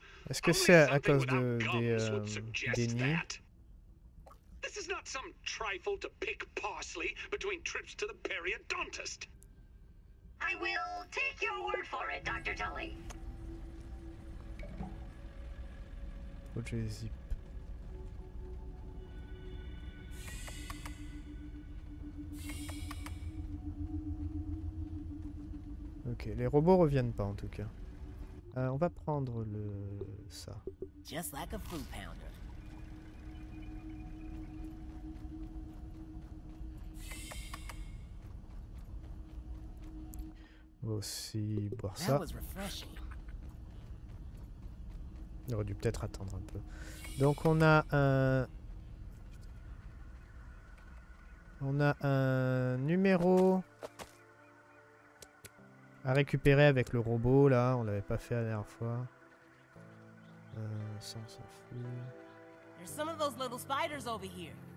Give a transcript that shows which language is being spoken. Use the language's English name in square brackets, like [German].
[French] Est-ce que c'est à cause de des nids? [English] This is not some trifle to pick parsley between trips to the periodontist. I will take your word for it, Dr. Tully. [French] Faut que je les zip. Ok, les robots reviennent pas en tout cas. On va prendre le ça. [English] Just like a fruit pounder. [French] Aussi boire ça. On aurait dû peut-être attendre un peu. Donc on a un numéro à récupérer avec le robot là, on l'avait pas fait la dernière fois. Ça on s'en fout. [English] There's some of those little spiders over here.